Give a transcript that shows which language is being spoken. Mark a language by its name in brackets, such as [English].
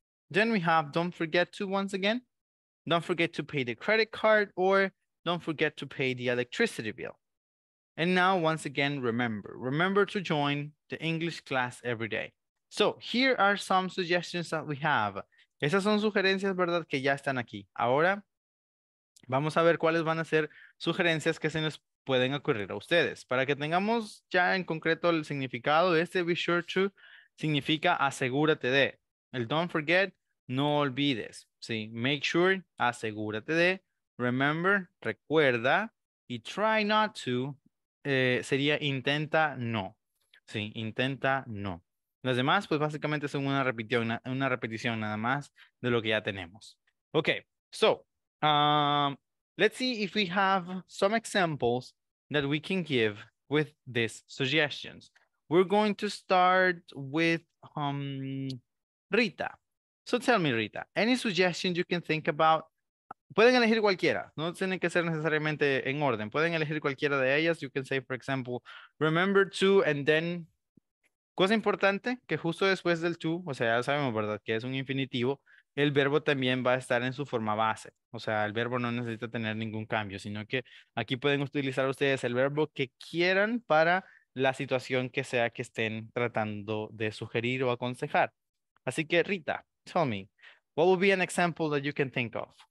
[English] Then we have, don't forget to, once again, don't forget to pay the credit card, or don't forget to pay the electricity bill. And now, once again, remember to join the English class every day. So here are some suggestions that we have. [Spanish] Esas son sugerencias, ¿verdad?, que ya están aquí. Ahora, vamos a ver cuáles van a ser sugerencias que se nos pueden ocurrir a ustedes. Para que tengamos ya en concreto el significado, este [English] be sure to [Spanish] significa asegúrate de. El [English] don't forget, [Spanish] no olvides. ¿Sí? [English] Make sure, [Spanish] asegúrate de. Remember, recuerda. Y [English] try not to, [Spanish] sería intenta no. ¿Sí? Intenta no. Las demás, pues básicamente son una repetición nada más de lo que ya tenemos. [English] Okay, so, let's see if we have some examples that we can give with these suggestions. We're going to start with Rita. So tell me, Rita, any suggestions you can think about? [Spanish] Pueden elegir cualquiera. No tienen que ser necesariamente en orden. Pueden elegir cualquiera de ellas. [English] You can say, for example, remember to, and then... [Spanish] Cosa importante, que justo después del to, o sea, ya sabemos, ¿verdad?, que es un infinitivo, el verbo también va a estar en su forma base. O sea, el verbo no necesita tener ningún cambio, sino que aquí pueden utilizar ustedes el verbo que quieran para la situación que sea que estén tratando de sugerir o aconsejar. Así que, [English] Rita, tell me, what would be an example that you can think of?